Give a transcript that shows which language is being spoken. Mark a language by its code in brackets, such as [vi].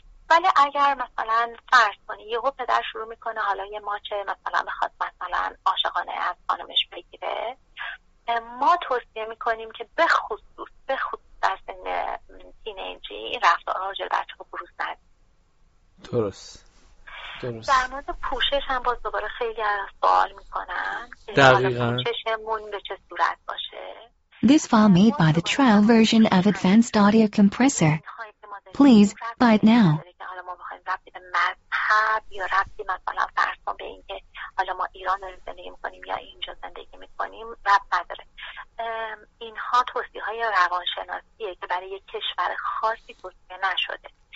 [fa] ولی اگر مثلا فرض کنیم یهو پدر شروع میکنه حالا یه ماچه مثلا بخواد مثلا عاشقانه از خانمش بگیره، ما توصیه میکنیم که به خصوص در سن تینیجی این رفتار رو جلو بچه ها بروز ندیم. درست. در مورد پوشش هم باز دوباره خیلی سوال میکنن. دقیقاً. پوششمون به چه صورت باشه؟ [en] This file made by the trial version of Advanced Audio Compressor. Please buy it now. [fa] حالا ما می‌خوایم رابطه مذهب یا رابطه مثلا فرض کنیم به اینکه حالا ما ایران زندگی می‌کنیم یا اینجا زندگی می‌کنیم رابطه نداره. اینها توصیه‌های روانشناسیه که برای یک کشور خاصی توصیه نشده.